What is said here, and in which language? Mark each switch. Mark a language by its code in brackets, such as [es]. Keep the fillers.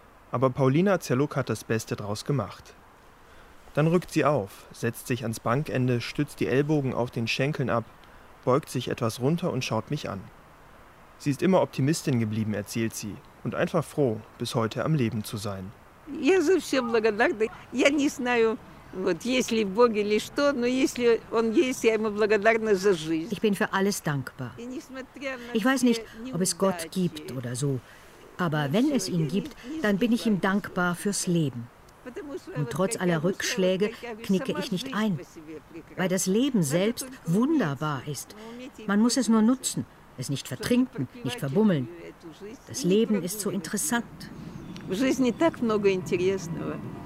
[de] Aber Paulina Zerluck hat das Beste draus gemacht. Dann rückt sie auf, setzt sich ans Bankende, stützt die Ellbogen auf den Schenkeln ab, beugt sich etwas runter und schaut mich an. Sie ist immer Optimistin geblieben, erzählt sie, und einfach froh, bis heute am Leben zu sein. [ru] Я за все благодарна. Я не знаю, вот если Бог или что, но если Он есть, я ему благодарна за жизнь. [de] Ich bin für alles dankbar. Ich weiß nicht, ob es Gott gibt oder so, aber wenn es ihn gibt, dann bin ich ihm dankbar fürs Leben. Und trotz aller Rückschläge knicke ich nicht ein, weil das Leben selbst wunderbar ist. Man muss es nur nutzen, es nicht vertrinken, nicht verbummeln. Das Leben ist so interessant. [ru] В жизни так много интересного.